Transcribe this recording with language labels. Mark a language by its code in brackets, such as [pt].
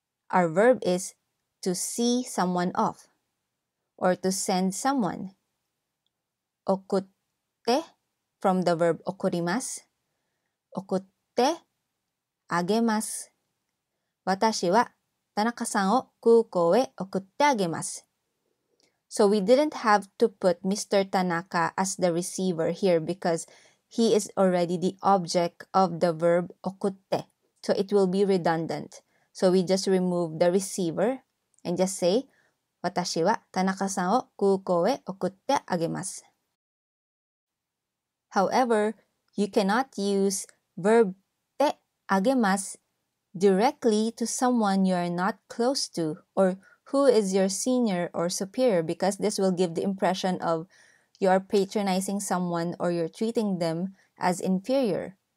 [en] Our verb is to see someone off or to send someone. [ja] 送って [en] from the verb 送ります。 [ja] 送ってあげます。私は田中さんを空港へ送ってあげます。 [en] So we didn't have to put Mr. Tanaka as the receiver here because he is already the object of the verb 送って. So it will be redundant. So we just remove the receiver and just say, [ja] 私は田中さんを空港へ送ってあげます. [en] However, you cannot use Verb-Te あげます directly to someone you are not close to orWho is your senior or superior? Because this will give the impression of you are patronizing someone or you're treating them as inferior.